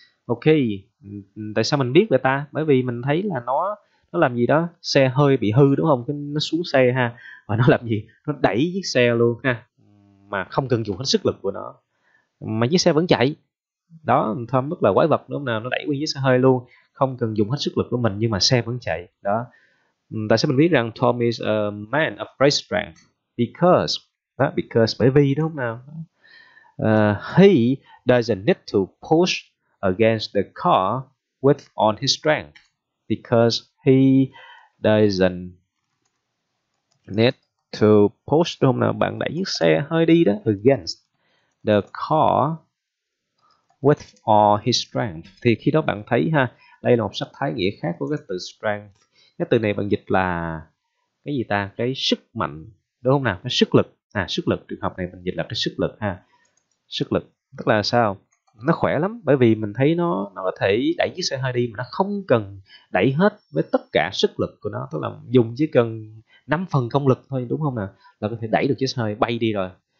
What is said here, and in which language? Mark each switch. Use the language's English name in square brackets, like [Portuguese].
[Vietnamese] Ok, tại sao mình biết vậy ta? Bởi vì mình thấy là nó làm gì đó, xe hơi bị hư đúng không, cái nó xuống xe ha và nó làm gì, nó đẩy chiếc xe luôn ha mà không cần dùng hết sức lực của nó mà chiếc xe vẫn chạy đó. Tom rất là quái vật đúng không nào, nó đẩy nguyên chiếc xe hơi luôn không cần dùng hết sức lực của mình nhưng mà xe vẫn chạy đó. Tại sao mình biết rằng [English] Tom is a man of great strength? Because đó, because [Vietnamese] bởi vì đúng không nào, [English] he doesn't need to push against the car with all his strength, because he doesn't need to push [Vietnamese] đúng không nào, bạn đẩy chiếc xe hơi đi đó, [English] against the car with all his strength. [Vietnamese] Thì khi đó bạn thấy ha, đây là một sách thái nghĩa khác của cái từ strength. Cái từ này bạn dịch là cái gì ta, cái sức mạnh đúng không nào, cái sức lực à, sức lực, trường hợp này mình dịch là cái sức lực ha. Sức lực tức là sao, nó khỏe lắm bởi vì mình thấy nó có thể đẩy chiếc xe hơi đi mà nó không cần đẩy hết với tất cả sức lực của nó, tức là dùng chỉ cần 5% công lực thôi đúng không nào, là có thể đẩy được chiếc xe hơi bay đi rồi.